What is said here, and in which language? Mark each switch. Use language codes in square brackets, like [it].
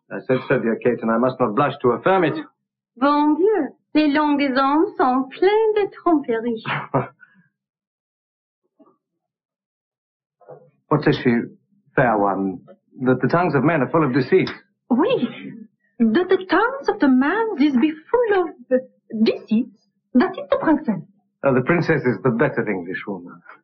[en] I said so, dear Kate, and I must not blush to affirm it. [fr] Bon Dieu, les langues des hommes sont pleines de tromperies. [en] What says she, fair one, that the tongues of men are full of deceit? Oui, that the tongues of the man is be full of deceit, that is the princess. Oh, the princess is the better Englishwoman.